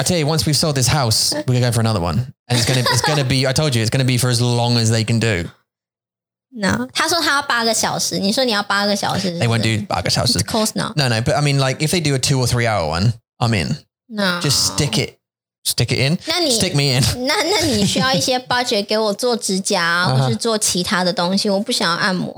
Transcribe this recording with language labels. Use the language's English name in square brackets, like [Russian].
[English] I tell you, once we've sold this house, we're going for another one. And it's going to be, I told you, it's going to be for as long as they can do. No. [Chinese] 他说他要八个小时，你说你要八个小时。 [English] They won't do [Chinese] 八个小时。 [English] Of course not. No, no, but I mean like if they do a 2 or 3 hour one, I'm in. No. Just stick it in. [Chinese] 那你, [English] stick me in. [Chinese] 那你需要一些 budget 给我做指甲或是做其他的东西, 我不想要按摩。